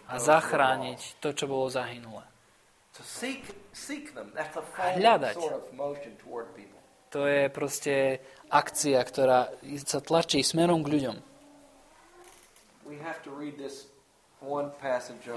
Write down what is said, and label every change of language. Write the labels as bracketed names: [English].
[Slovak] A zachrániť to, čo bolo zahynulé. [English] To seek them. That's a forward sort of motion toward people. [Slovak] To je proste akcia, ktorá sa tlačí smerom k ľuďom. [English] We have to read this one passage of